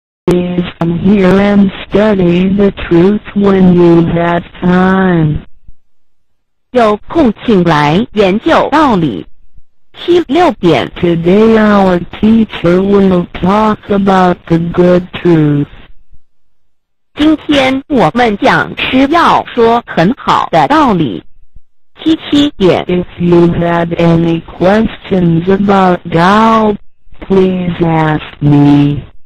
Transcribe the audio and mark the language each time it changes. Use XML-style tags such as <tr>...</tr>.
<en>Please come here and study the truth when you have time.</en> <zh>有空请来研究道理。76点</zh> <en>Today our teacher will talk about the good truth.</en> <zh>今天我们讲师要说很好的道理。 77点</zh> <en>If you have any questions about Tao, please ask me.</en>